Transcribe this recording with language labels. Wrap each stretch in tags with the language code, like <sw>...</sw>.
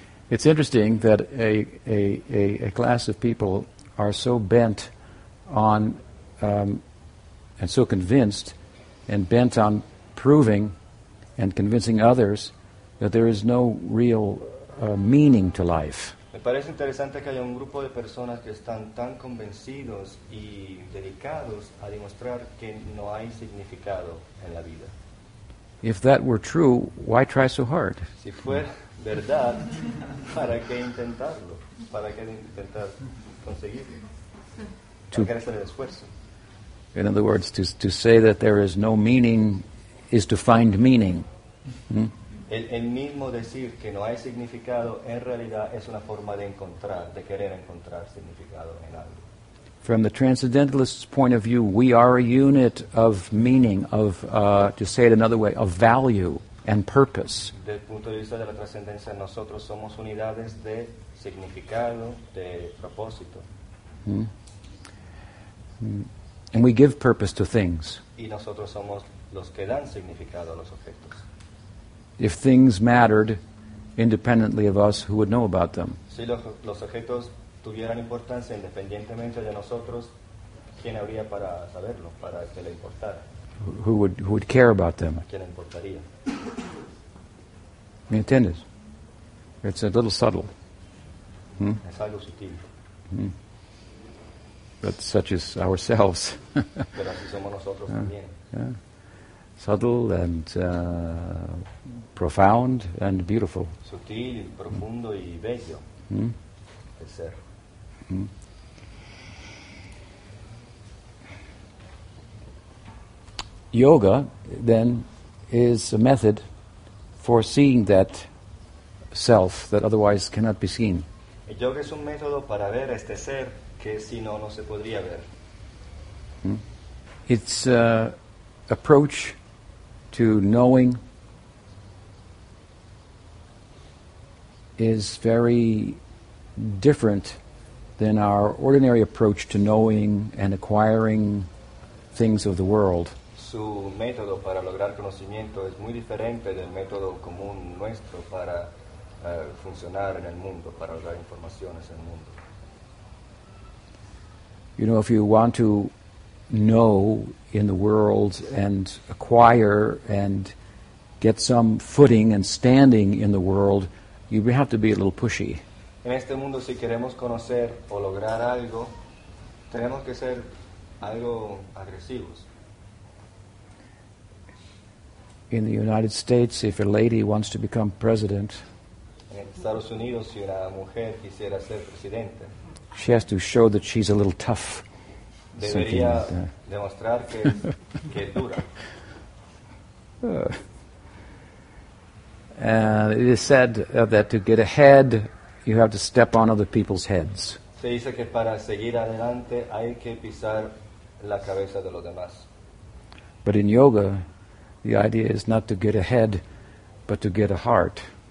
<en>It's interesting that a class of people are so bent on and so convinced and bent on proving and convincing others that there is no real meaning to life.</en> <es>Me parece interesante que haya un grupo de personas que están tan convencidos y dedicados a demostrar que no hay significado en la vida.</es> <en>If that were true, why try so hard?</en> <es>Si fuera verdad, ¿para qué intentarlo? ¿Para qué intentar conseguirlo? ¿Para qué hacer el esfuerzo?</es> <en>In other words, to say that there is no meaning is to find meaning.</en> <es>El mismo decir que no hay significado en realidad es una forma de encontrar, de querer encontrar significado en algo.</es> <en>From the transcendentalist's point of view, we are a unit of meaning, of, to say it another way, of value and purpose.</en> <es>Desde el punto de vista de la trascendencia, nosotros somos unidades de significado, de propósito.</es> <en>And we give purpose to things.</en> <es>Y nosotros somos los que dan significado a los objetos.</es> <en>If things mattered, independently of us, who would know about them?</en> <es>Si los objetos tuvieran importancia independientemente de nosotros, ¿quién habría para saberlo, para que le importara?</es> <en>Who would care about them?</en> <es>¿A quién le importaría? ¿Me entiendes?</es> <en>It's a little subtle.</en> <es>Es algo sutil.</es> <en>But such is ourselves.</en> <es>Pero así somos nosotros también.</es> <en>Subtle and profound and beautiful.</en> <es>Sutil, profundo y bello. El ser.</es> <en>Yoga, then, is a method for seeing that self that otherwise cannot be seen.</en> <es>El yoga es un método para ver este ser que si no, no se podría ver.</es> <en>It's an approach to knowing is very different than our ordinary approach to knowing and acquiring things of the world.</en> <es>Su método para lograr conocimiento es muy diferente del método común nuestro para funcionar en el mundo, para lograr informaciones en el mundo.</es> <en>You know, if you want to know in the world and acquire and get some footing and standing in the world, you have to be a little pushy.</en> <es>En este mundo, si queremos conocer o lograr algo, tenemos que ser algo agresivos.</es> <en>In the United States, if a lady wants to become president,</en> <es>en Estados Unidos, si una mujer quisiera ser presidente,</es> <en>she has to show that she's a little tough.</en> <es>Debería demostrar que es dura.</es> <en>And it is said that to get ahead, you have to step on other people's heads.</en> <es>Se dice que para seguir adelante hay que pisar la cabeza de los demás.</es> <en>But in yoga, the idea is not to get ahead, but to get a heart.</en>